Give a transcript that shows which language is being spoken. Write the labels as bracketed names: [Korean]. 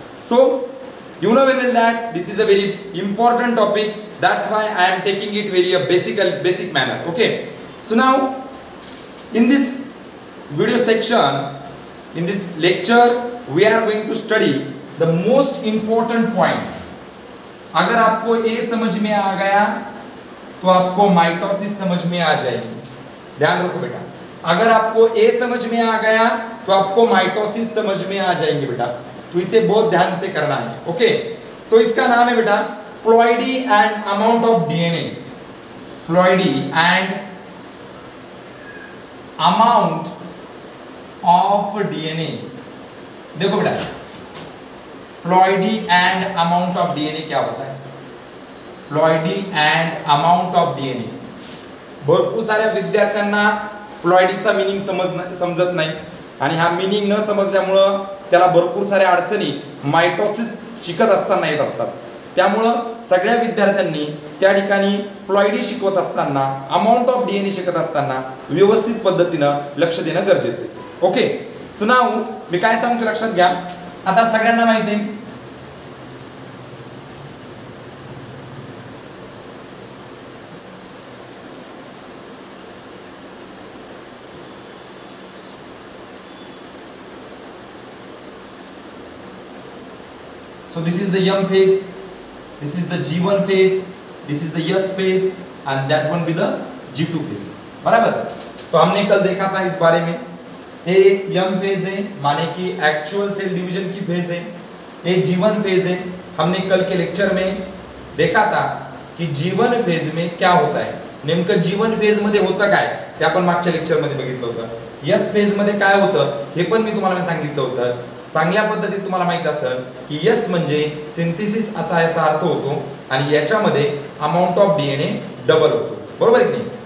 [English] So, you know very well that this is a very important topic. That's why I am taking it very a basic manner. Okay. So now, in this video section, in this lecture, we are going to study the most important point. [Hindi] अगर आपको ये समझ में आ गया तो आपको mitosis समझ में आ जाएगी. ध्यान रखो बेटा, अगर आपको ये समझ में आ गया तो आपको माइटोसिस समझ में आ जाएंगे बेटा. तो इसे बहुत ध्यान से करना है. ओके, तो इसका नाम है बेटा ploidy and amount of DNA. Ploidy and amount of DNA. देखो बेटा, ploidy and amount of DNA क्या होता है? Ploidy and amount of DNA. [Marathi] भरपूर साऱ्या विद्यार्थ्यांना प्लॉइडीचा मीनिंग समजत नाही आणि हा मीनिंग न समजल्यामुळे त्याला भरपूर साऱ्या अडचणी माइटोसिस शिकत असताना येत असतात. त्यामुळे सगळ्या विद्यार्थ्यांनी त्या ठिकाणी प्लॉइडी शिकवत असताना अमाउंट ऑफ डीएनए शिकत असताना व्यवस्थित पद्धतीने लक्ष देणं गरजेचं आहे. ओके, सो नाउ मी काय सांगतो लक्षात घ्या. आता सगळ्यांना माहिती आहे [English] So this is the young phase, this is the G1 phase, this is the S phase and that one be the G2 phase. [Hindi] बराबर, तो हमने कल देखा था इस बारे में. ए यंग फेज है, माने कि एक्चुअल सेल डिवीजन की फेज है. ए G1 फेज है, हमने कल के लेक्चर में देखा था कि G1 फेज में क्या होता है. [Marathi] नेमक G1 फेज मध्ये होता काय ते आपण मागच्या लेक्चर मध्ये बघितलं होतं. यस फेज मध्ये काय होतं हे पण मी तुम्हाला सांगितलं होतं. चांगल्या पद्धतीने तुम्हाला माहित असेल की यस म्हणजे सिंथेसिस असा याचा अर्थ होतो आणि याच्यामध्ये अमाउंट ऑफ डीएनए डबल होतो. बरोबर आहे की नाही?